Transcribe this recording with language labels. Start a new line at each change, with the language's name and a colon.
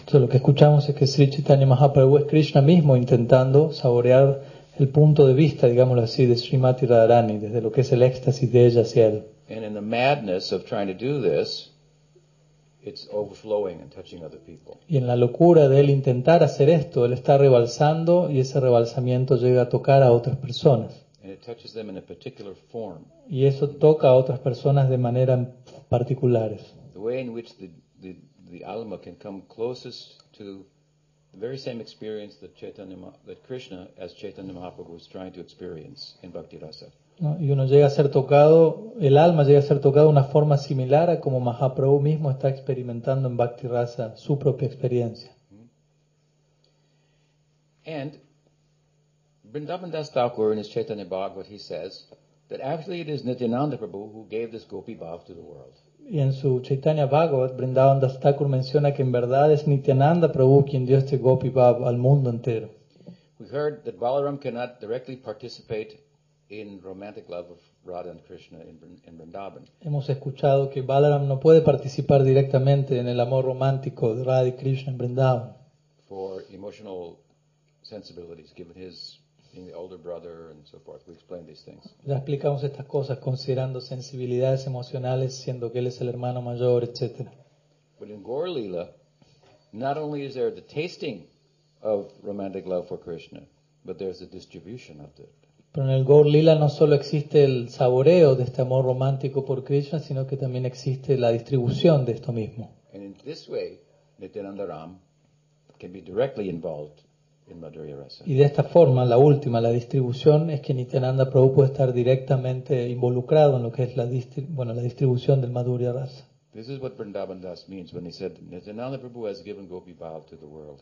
Spanish: So, lo que escuchamos es que Sri Chaitanya Mahaprabhu es Krishna mismo intentando saborear el punto de vista, digámoslo así, de Srimati Radharani, desde lo que es el éxtasis de ella hacia él.
English: And in the madness of trying to do this, it's overflowing and touching other people.
Spanish: Y en la locura de él intentar hacer esto, él está rebalsando y ese rebalsamiento llega a tocar a otras personas.
English: And it touches them in a particular form.
Spanish: Y eso toca a otras personas de manera particulares.
English: The way in which the alma can come closest to the very same experience that Krishna, as Chaitanya Mahaprabhu, was trying to experience in Bhakti Rasa.
Spanish: ¿No? Y uno llega a ser tocado, el alma llega a ser tocado de una forma similar a como Mahaprabhu mismo está experimentando en Bhakti Rasa su propia experiencia.
English: And Vrindavan Das Thakur in his Chaitanya Bhagavat, he says that actually it is Nityananda Prabhu who gave this Gopi Bhav to the world.
Spanish: Y en su Chaitanya Bhagavat, Vrindavan Das Thakur menciona que en verdad es Nityananda Prabhu quien dio este Gopi Bhav al mundo entero.
English: We heard that Balaram cannot directly participate in romantic love of Radha and Krishna in Vrindavan.
Spanish: Hemos escuchado que Balaram no puede participar directamente en el amor romántico de Radha y Krishna en Vrindavan.
English: For emotional sensibilities, given his being the older brother and so forth, we explain these things.
Spanish: Ya explicamos estas cosas considerando sensibilidades emocionales, siendo que él es el hermano mayor, etc.
English: But in Gaur Lila, not only is there the tasting of romantic love for Krishna, but there's a distribution of it.
Spanish: Pero en el Gaur Lila no solo existe el saboreo de este amor romántico por Krishna, sino que también existe la distribución de esto mismo.
English: And in this way, Nityananda Ram can be directly involved in Madhurya Rasa.
Spanish: Y de esta forma, la última, la distribución, es que Nityananda Prabhu puede estar directamente involucrado en lo que es la distribución del Madhurya Rasa.
English: This is what Vrindavan Das means when he said Nityananda Prabhu has given Gopi Bhav to the world.